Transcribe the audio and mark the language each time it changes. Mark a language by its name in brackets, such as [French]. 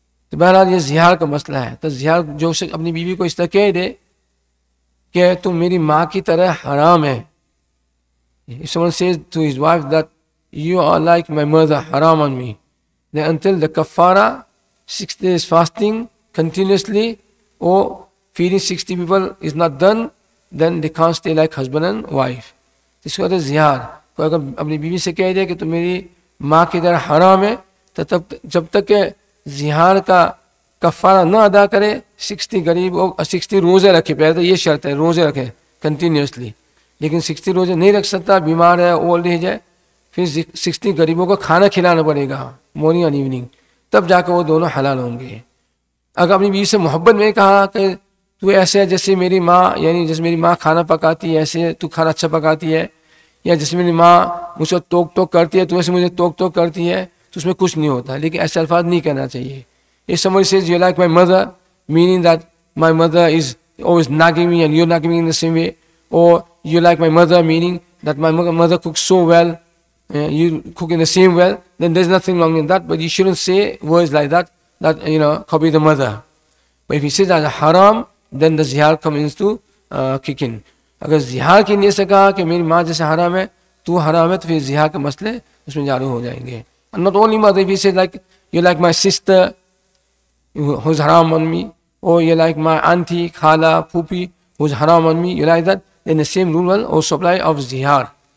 [Urdu] تو بہرحال یہ زہار کا مسئلہ ہے. تو زہار جو شخص اپنی بیوی کو اس طرح کہہ دے کہ تم میری ماں کی طرح حرام ہے. [English] If someone says to his wife that you are like my mother, haram on me, then until the kafara, 6 days fasting continuously or feeding 60 people is not done, then they can't stay like husband and wife. [Urdu] اس کو زہار کوئی اگر اپنی بیوی سے کہہ دے کہ تم میری ماں کی طرح حرام ہے, تو تب جب تک کہ زہار کا کفارہ نہ ادا کرے, 60 روزے رکھے. پہلے تو یہ شرط ہے روزے رکھے [English] continuously, [Urdu] لیکن 60 روزے نہیں رکھ سکتا, بیمار ہے, اولڈ ایج ہے, پھر 60 غریبوں کو کھانا کھلانا پڑے گا [English] morning and evening, [Urdu] تب جا کے وہ دونوں حلال ہوں گے. اگر اپنی بیوی سے محبت میں کہا کہ تو ایسے ہے جیسے میری ماں, یعنی جیسے میری ماں کھانا پکاتی ہے ایسے تو کھانا اچھا پکاتی ہے, یا جیسے میری ماں مجھ سے ٹوک ٹوک کرتی ہے تو ایسے مجھے ٹوک ٹوک کرتی ہے, اس میں کچھ نہیں ہوتا. لیکن ایسے الفاظ نہیں کہنا چاہیے. [English] If somebody says you like my mother, meaning that my mother is always nagging me and you're nagging me in the same way, or you like my mother, meaning that my mother cooks so well, you cook in the same well, then there's nothing wrong in that. But you shouldn't say words like that, that, you know, copy the mother. But if he says that's a haram, then the zihar comes into kick in. [Urdu] اگر زہار کی نیت سے کہا کہ میری ماں جیسے حرام ہے تو حرام ہے, تو پھر زہار کے مسئلے اس میں جاری ہو جائیں گے. [English] Not only mother, if he says like, you're like my sister who's haram on me, or you're like my auntie, khala, poopy who's haram on me, you like that, then the same rule will also apply of zihar.